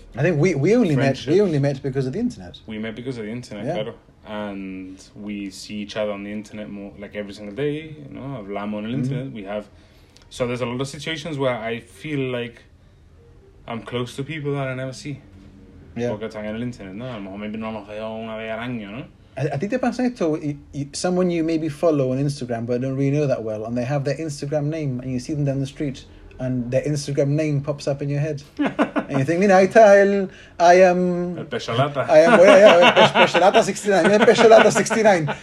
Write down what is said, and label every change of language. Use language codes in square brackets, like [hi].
[en] I think we only met because of the internet. We met because of the internet, and we see each other on the internet more, like every single day. Hablamos on the internet. We have. So there's a lot of situations where I feel like I'm close to people that I never see. Yeah. [es] Porque están en el internet, ¿no? A lo mejor maybe no los veo una vez al año, ¿no? ¿A ti te pasa esto? [en] Someone you maybe follow on Instagram but don't really know that well, and they have their Instagram name, and you see them down the street, and their Instagram name pops up in your head. And you think, in Ital, I am... Pesholata 69.